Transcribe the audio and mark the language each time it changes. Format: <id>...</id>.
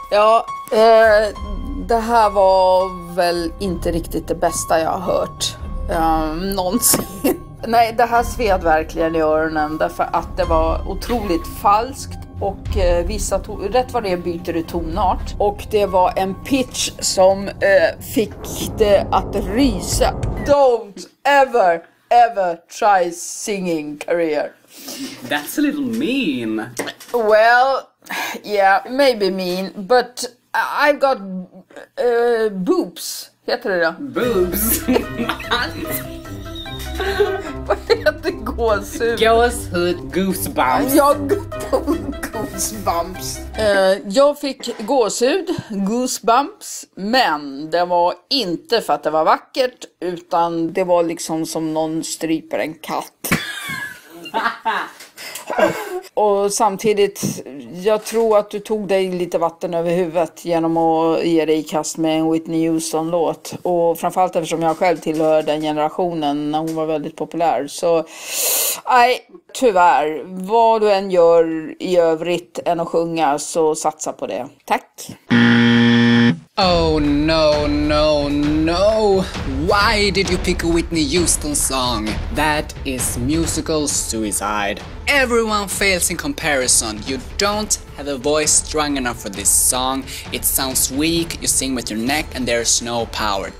<sv>Ja, det här var väl inte riktigt det bästa jag har hört någonsin. Nej, det här sved verkligen i öronen, därför att det var otroligt falskt. Och vissa rätt vad det är byter du tonart. Och det var en pitch som fick det att rysa.</sv> <en>Don't ever, ever try singing career. That's a little mean. Well, yeah, maybe mean, but I've got boobs.</en> <sv>Heter det då?</sv> <en>Boobs.</en> <sv>Vad heter gåshud? Gåshud, goosebumps. Jag goosebumps. Jag fick gåshud, goosebumps, men det var inte för att det var vackert, utan det var liksom som någon stryper en katt. Och samtidigt, jag tror att du tog dig lite vatten över huvudet genom att ge dig i kast med en Whitney Houston-låt. Och framförallt eftersom jag själv tillhör den generationen när hon var väldigt populär. Så, nej, tyvärr. Vad du än gör i övrigt än att sjunga, så satsa på det. Tack!</sv> <en>Oh no, no, no. Why did you pick a Whitney Houston song? That is musical suicide. Everyone fails in comparison. You don't have a voice strong enough for this song. It sounds weak, you sing with your neck and there's no power.</en>